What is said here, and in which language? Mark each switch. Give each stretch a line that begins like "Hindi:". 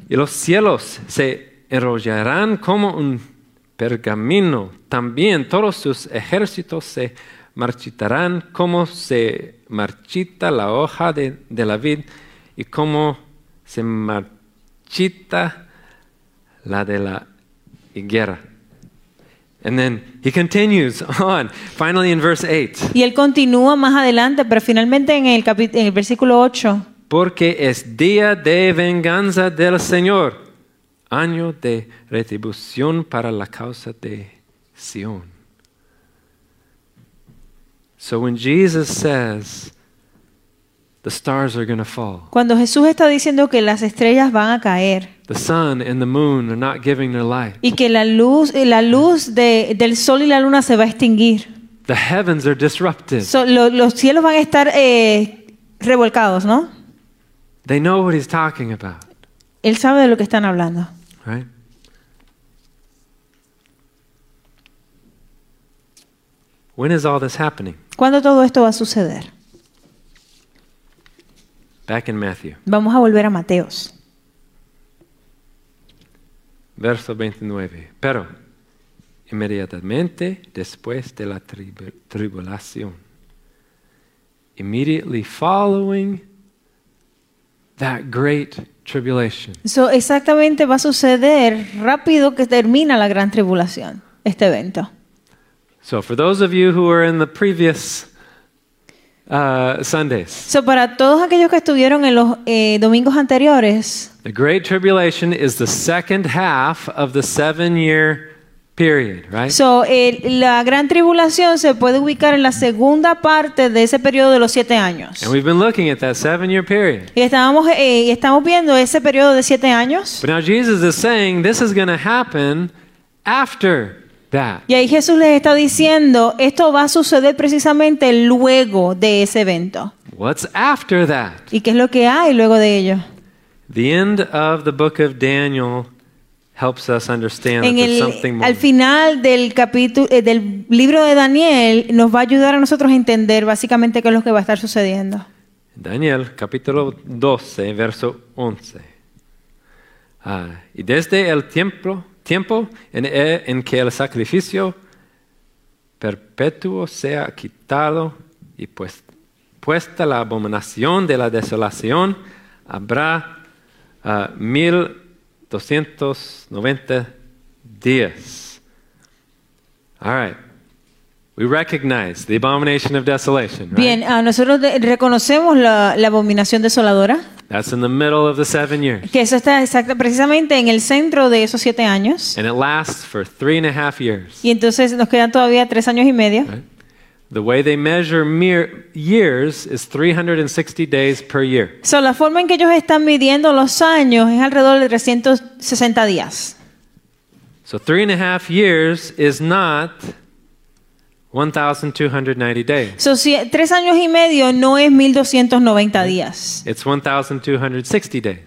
Spanish: Y los cielos se enrollarán como un pergamino. También todos sus ejércitos se marchitarán como se marchita la hoja de la vid. Y cómo se marchita la de la higuera.
English: And then he continues on, finally in verse 8.
Spanish: Y él continúa más adelante, pero finalmente en el versículo 8. Porque es día de venganza del Señor, año de retribución para la causa de Sion.
English: So when Jesus says, the stars are going to fall.
Spanish: Cuando Jesús está diciendo que las estrellas van a caer.
English: The sun and the moon are not giving their light.
Spanish: Y que la luz del sol y la luna se va a extinguir.
English: The heavens are disrupted.
Spanish: So, los cielos van a estar revolcados, ¿no?
English: They know what he's talking about.
Spanish: Él sabe de lo que están hablando.
English: Right? When is all this happening?
Spanish: ¿Cuándo todo esto va a suceder?
English: Back in Matthew.
Spanish: Vamos a volver a Mateo. Verso 29. Pero inmediatamente después de la tribulación.
English: Immediately following that great tribulation.
Spanish: So exactamente va a suceder rápido que termina la gran tribulación, este evento.
English: So for those of you who were in the previous Sundays.
Spanish: So para todos aquellos que estuvieron en los domingos anteriores.
English: The great tribulation is the second half of the 7-year period, right?
Spanish: So la gran tribulación se puede ubicar en la segunda parte de ese periodo de los 7 años.
English: And we've been looking at that 7-year period.
Spanish: Y estamos viendo ese periodo de 7 años.
English: But now Jesus is saying this is going to happen after that.
Spanish: Y ahí Jesús les está diciendo, esto va a suceder precisamente luego de ese evento.
English: What's after that?
Spanish: ¿Y qué es lo que hay luego de ello?
English: The end of the book of Daniel helps us understand that there's something more.
Spanish: Al final del capítulo del libro de Daniel nos va a ayudar a nosotros a entender básicamente qué es lo que va a estar sucediendo. Daniel capítulo 12 verso 11. Y desde el tiempo en que el sacrificio perpetuo sea quitado y puesta la abominación de la desolación, habrá 1290 días.
English: All right. We recognize the abomination of desolation, right?
Spanish: Bien, nosotros reconocemos la abominación desoladora.
English: That's in the middle of the 7 years.
Spanish: Que eso está exacto, precisamente en el centro de esos 7 años.
English: And it lasts for 3.5 years.
Spanish: Y entonces nos quedan todavía 3 años y medio.
English: Right? The way they measure years is 360 days per year.
Spanish: So la forma en que ellos están midiendo los años es alrededor de 360 días.
English: So 3.5 years is not 1,290 days.
Spanish: So si 3 años y medio no es 1,290 días.
English: It's 1,260 days.